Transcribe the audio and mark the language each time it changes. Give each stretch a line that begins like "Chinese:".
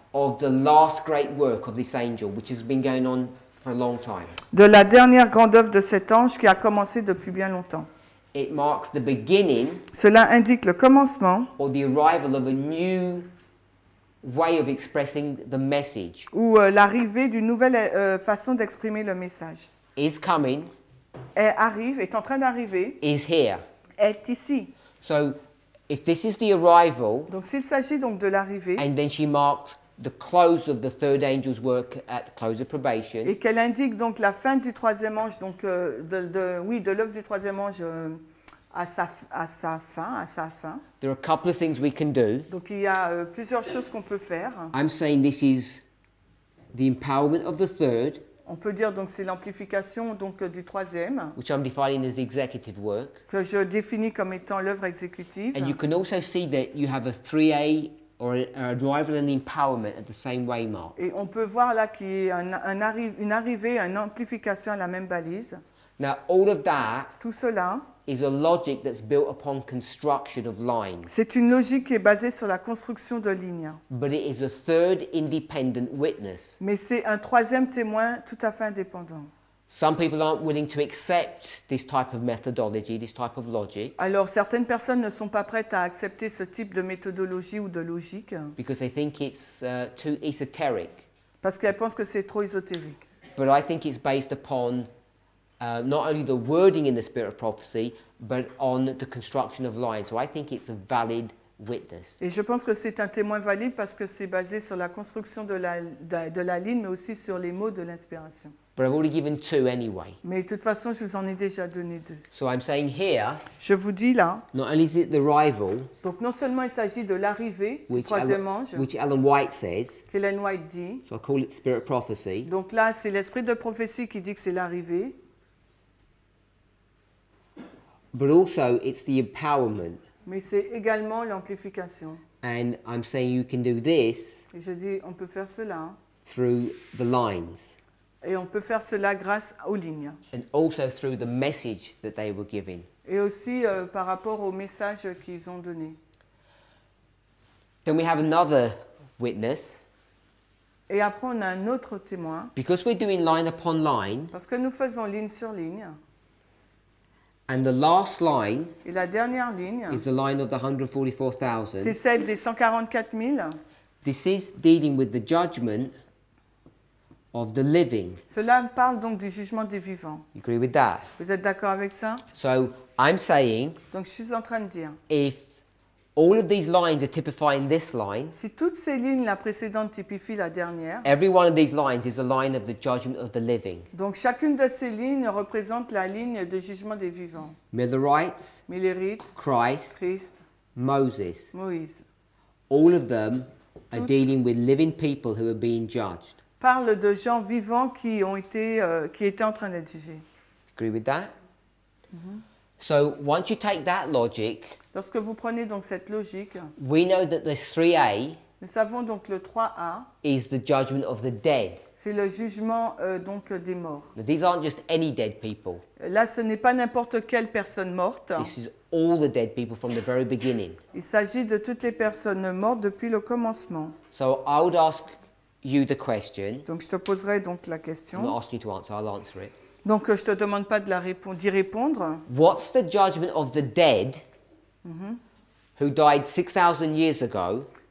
English: of the last great work of this angel, which has been going on for a long time.
French: De la dernière grande œuvre de cet ange qui a commencé depuis bien longtemps.
English: It marks the beginning,
French: cela indique le commencement,
English: or the arrival of a new way of expressing the message,
French: ou l'arrivée d'une nouvelle façon d'exprimer le message.
English: Is coming,
French: est en train d'arriver,
English: is here,
French: est ici.
English: So, if this is the arrival,
French: donc s'il s'agit donc de l'arrivée,
English: and then she marks the close of the third angel's work at the close of probation,
French: et qu'elle indique donc la fin du troisième ange, donc de l'œuvre du troisième ange à sa fin.
English: There are a couple of things we can do.
French: Donc il y a plusieurs choses qu'on peut faire.
English: I'm saying this is the empowerment of the third.
French: On peut dire donc c'est l'amplification donc du troisième,
English: which I'm defining as the executive work,
French: que je définis comme étant l'œuvre exécutive.
English: And you can also see that you have a 3A or a arrival and empowerment at the same way mark.
French: Et on peut voir là qu'il y a une arrivée, une amplification à la même balise.
English: Now all of that,
French: tout cela,
English: is a logic that's built upon construction of lines.
French: C'est une logique qui est basée sur la construction de lignes.
English: But it is a third independent witness.
French: Mais c'est un troisième témoin tout à fait indépendant.
English: Some people aren't willing to accept this type of methodology, this type of logic.
French: Alors certaines personnes ne sont pas prêtes à accepter ce type de méthodologie ou de logique.
English: Because they think it's too esoteric.
French: Parce qu'elles pensent que c'est trop ésotérique.
English: But I think it's based upon not only the wording in the spirit of prophecy, but on the construction of lines. So I think it's a valid witness.
French: Et je pense que c'est un témoin valide parce que c'est basé sur la construction de la ligne, mais aussi sur les mots de l'inspiration.
English: But I've already given two anyway.
French: Mais de toute façon, je vous en ai déjà donné deux.
English: So I'm saying here,
French: je vous dis là,
English: not only is it the arrival,
French: donc non seulement il s'agit de l'arrivée,
English: which Ellen White says,
French: qu'Ellen White dit,
English: so I call it spirit of prophecy,
French: donc là, c'est l'esprit de prophétie qui dit que c'est l'arrivée,
English: but also it's the empowerment.
French: Mais c'est également l'amplification.
English: And I'm saying you can do this.
French: Et je dis on peut faire cela.
English: Through the lines.
French: Et on peut faire cela grâce aux lignes.
English: And also through the message that they were giving.
French: Et aussi par rapport au message qu'ils ont donné.
English: Then we have another witness.
French: Et après on a un autre témoin.
English: Because we're doing line upon line.
French: Parce que nous faisons ligne sur ligne.
English: And the last line,
French: et la dernière ligne,
English: is the line of the 144,000.
French: C'est celle des 144,000.
English: This is dealing with the judgment of the living.
French: Cela parle donc du jugement des vivants.
English: You agree with that?
French: Vous êtes d'accord avec ça?
English: So I'm saying,
French: donc je suis en train de dire,
English: if all of these lines are typifying this line,
French: si toutes ces lignes, la précédente typifie la dernière,
English: every one of these lines is a line of the judgment of the living.
French: Donc chacune de ces lignes représente la ligne de jugement des vivants.
English: Millerites,
French: Millerite,
English: Christ,
French: Christ,
English: Moses,
French: Moïse.
English: All of them are dealing with living people who are being judged.
French: Parle de gens vivants qui ont été qui étaient en train d'être jugés.
English: Agree with that? Mm-hmm. So once you take that logic,
French: lorsque vous prenez donc cette logique,
English: we know that the 3A,
French: nous savons donc le 3A
English: is the judgment of the dead.
French: C'est le jugement donc des morts.
English: Now, these aren't just any dead people.
French: Là, ce n'est pas n'importe quelle personne morte.
English: This is all the dead people from the very beginning.
French: Il s'agit de toutes les personnes mortes depuis le commencement.
English: So I would ask you the question.
French: Donc je te poserai donc la question.
English: I'll ask you to answer. I'll answer it.
French: Donc je te demande pas de la d'y répondre.
English: What's the judgment of the dead, mm-hmm, who died 6,000 years ago?